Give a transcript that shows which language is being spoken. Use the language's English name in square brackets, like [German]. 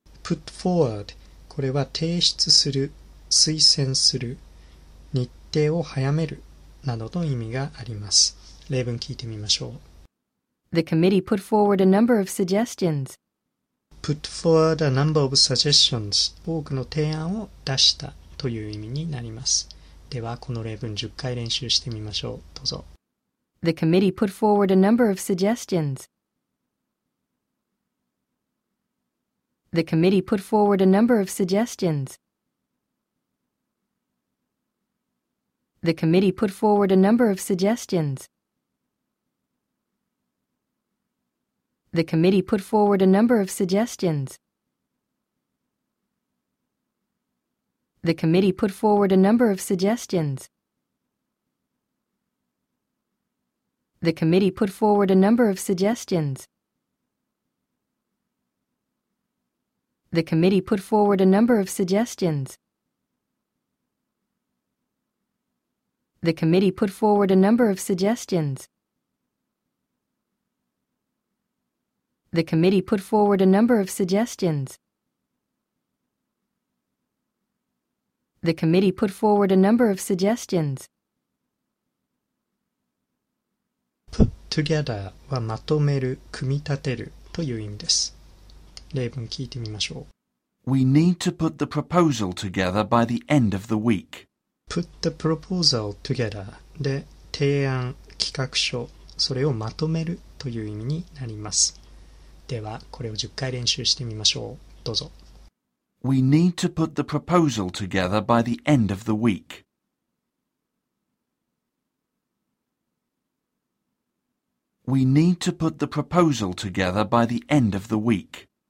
[Japanese] Put forward, これは提出する、推薦する、日程を早めるなどの意味があります。例文聞いてみましょう。 [English] The committee put forward a number of suggestions. Put forward a number of suggestions. [Japanese] 多くの提案を出したという意味になります。ではこの例文10回練習してみましょう。どうぞ。 [English] The committee put forward a number of suggestions. The committee put forward a number of suggestions. The committee put forward a number of suggestions. The committee put forward a number of suggestions. The committee put forward a number of suggestions. The committee put forward a number of suggestions. The committee put forward a number of suggestions. The committee put forward a number of suggestions. The committee put forward a number of suggestions. The committee put forward a number of suggestions. [Japanese] Put together はまとめる、組み立てるという意味です。例文聞いてみましょう。 [English] We need to put the proposal together by the end of the week. Put the proposal together [Japanese] で提案、企画書、それをまとめるという意味になります。ではこれを10回練習してみましょう。どうぞ。 [English] We need to put the proposal together by the end of the week. We need to put the proposal together by the end of the week.